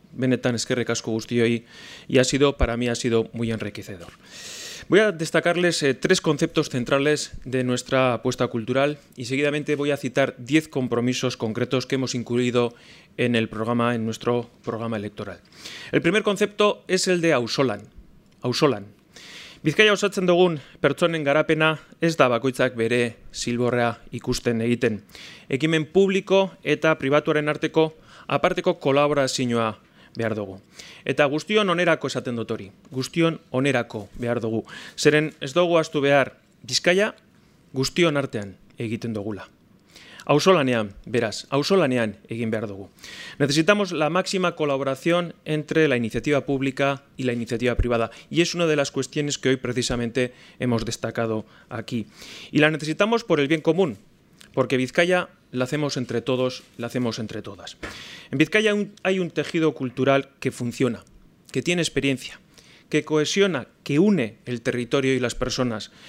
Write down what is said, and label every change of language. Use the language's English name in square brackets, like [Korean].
[Basque] Benetan eskerrik asko guztioi, [Spanish] y ha sido, para mí, ha sido muy enriquecedor. Voy a destacarles tres conceptos centrales de nuestra apuesta cultural y seguidamente voy a citar 10 compromisos concretos que hemos incluido en el programa, en nuestro programa electoral. El primer concepto es el de auzolan. Auzolan. [Basque] Bizkaia osatzen dugun pertsonen garapena ez da bakoitzak bere silborrea ikusten egiten. Ekimen publiko eta pribatuaren arteko aparteko kolaborazioa behar dugu. Eta guztion onerako esaten dut hori. Guztion onerako behar dugu. Zeren ez dugu ahaztu behar Bizkaia guztion artean egiten dugula. Auzolanean, beraz, auzolanean egin behar dugu. [Spanish] Necesitamos la máxima colaboración entre la iniciativa pública y la iniciativa privada. Y es una de las cuestiones que hoy precisamente hemos destacado aquí. Y la necesitamos por el bien común, porque Bizkaia la hacemos entre todos, la hacemos entre todas. En Bizkaia hay un tejido cultural que funciona, que tiene experiencia, que cohesiona, que une el territorio y las personas.